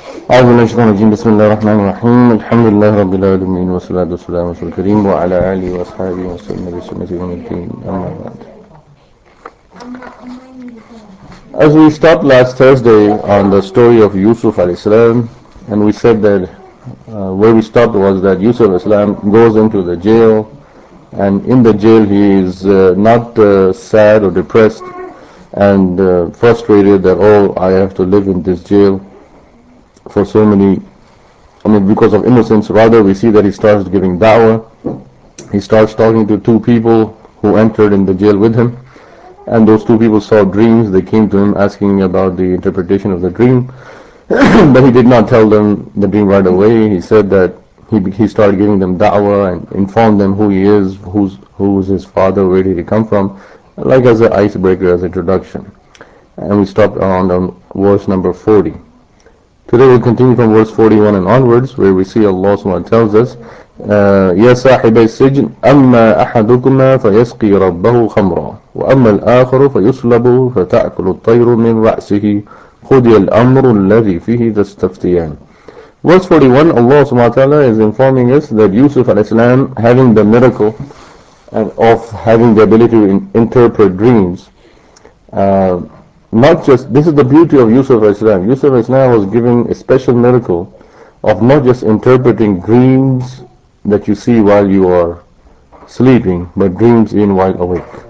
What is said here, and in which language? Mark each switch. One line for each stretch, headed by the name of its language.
Arabic: أعوذ بالله من الشيطان، بسم الله الرحمن الرحيم، الحمد لله رب العالمين، والصلاة والسلام على رسول الكريم وعلى آله وأصحابه وسلم بسنته يوم الدين، أما بعد.
English: As we stopped last Thursday on the story of Yusuf alayhi salam, and we said that where we stopped was that Yusuf alayhi salam goes into the jail, and in the jail he is not sad or depressed and frustrated that, oh, I have to live in this jail for so many, because of innocence. Rather, we see that he starts giving da'wah, he starts talking to two people who entered in the jail with him. And those two people saw dreams. They came to him asking about the interpretation of the dream. But he did not tell them the dream right away. He said that he started giving them da'wah and informed them who he is, who's his father, where did he come from, like as an icebreaker, as an introduction. And we stopped on verse number 40. Today we'll continue from verse 41 and onwards, where we see Allah SWT tells us,
Arabic: يَا صَاحِبَ السِّجْنِ أَمَّا أَحَدُكُمَا فَيَسْقِي رَبَّهُ خَمْرًا وَأَمَّا الْآخَرُ فَيُسْلَبُ فَتَأْكُلُ الطَّيْرُ مِنْ رَأْسِهِ خُدِيَ الْأَمْرُ الَّذِي فِيهِ تَسْتَفْتِيَانِ.
English: Verse 41, Allah SWT is informing us that Yusuf alayhi salam, having the miracle of having the ability to interpret dreams, not just, this is the beauty of Yusuf alayhi salam. Yusuf alayhi salam was given a special miracle of not just interpreting dreams that you see while you are sleeping, but dreams even while awake.